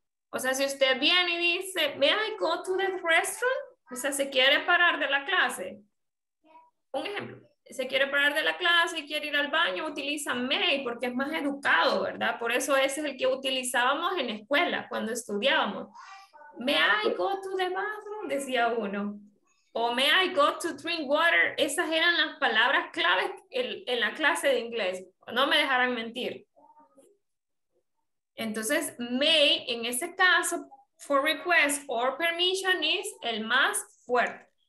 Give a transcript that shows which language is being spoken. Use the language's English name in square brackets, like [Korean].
[Spanish] O sea, si usted viene y dice, [English] may I go to the restaurant? [Spanish] O sea, se quiere parar de la clase. Un ejemplo. Se quiere parar de la clase y quiere ir al baño, utiliza may porque es más educado, ¿verdad? Por eso ese es el que utilizábamos en escuela cuando estudiábamos. [English] May I go to the bathroom, [Spanish] decía uno. [English] O may I go to drink water. [Spanish] Esas eran las palabras claves en la clase de inglés. No me dejarán mentir. Entonces, may, en ese caso, [English] for request or permission [Spanish] is el más fuerte.